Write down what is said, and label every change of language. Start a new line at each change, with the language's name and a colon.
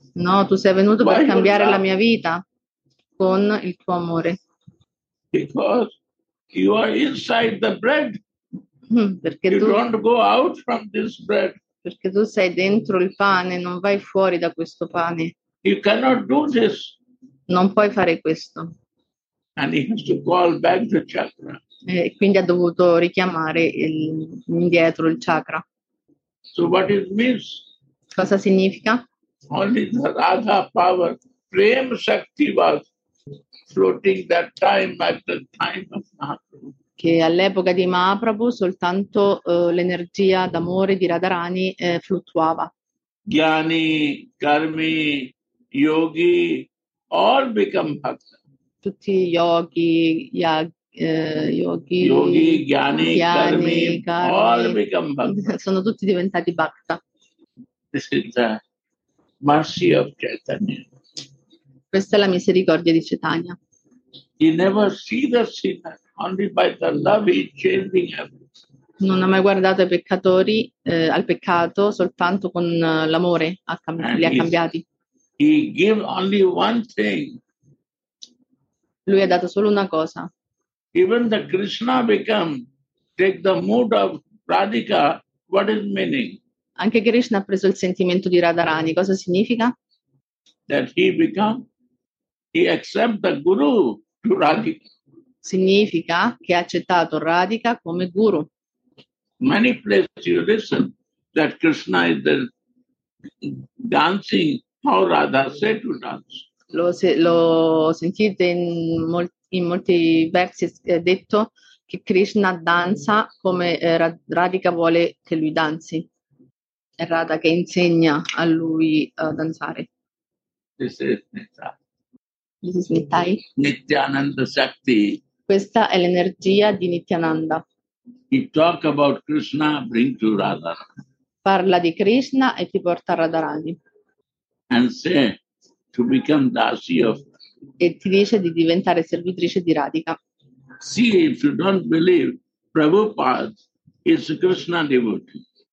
Italian: No, tu sei venuto Why per cambiare la mia vita con il tuo amore.
English: Because you are inside the bread.
Italian: Perché
English: you
Italian: tu,
English: don't go out from this bread.
Italian: Perché tu sei dentro il pane, non vai fuori da questo pane.
English: You cannot do this.
Italian: Non puoi fare questo.
English: And he has to call back the chakra.
Italian: E quindi ha dovuto richiamare indietro il chakra.
English: So what it means?
Italian: Cosa significa?
English: Only the Radha power, Prem Shakti was floating that time at the time of Mahaprabhu.
Italian: Che all'epoca di Mahaprabhu soltanto l'energia d'amore di Radharani fluttuava.
English: Gyani, karmi, yogi, all become bhakta.
Italian: Tutti yogi,
English: yogi, gyani, karmi, all become bhakta.
Italian: Sono tutti diventati bhakta.
English: This is the mercy of Chaitanya.
Italian: Questa è la misericordia di Chaitanya.
English: He never see the sinner. Only by the love he changing everything.
Italian: Non ha mai guardato ai peccatori, al peccato, soltanto con l'amore li ha cambiati.
English: He give only one thing.
Italian: Lui ha dato solo una cosa.
English: Even the Krishna become, take the mood of Radhika, what is meaning?
Italian: Anche Krishna ha preso il sentimento di Radharani, cosa significa?
English: That he become, he accept the guru to Radhika.
Italian: Significa che ha accettato Radhika come guru.
English: Many places you listen that Krishna is there dancing, how Radha said to dance.
Italian: Lo sentite in molti versi detto che Krishna danza come Radhika vuole che lui danzi. È Radha che insegna a lui a danzare.
English: This is Nithai. Nityananda Shakti.
Italian: Questa è l'energia di Nityananda.
English: He talk about Krishna, bring to Radha.
Italian: Parla di Krishna e ti porta a Radharani.
English: And say to become dasi of.
Italian: E ti dice di diventare servitrice di Radhika.
English: See, if you don't believe, Prabhupada is a Krishna devotee.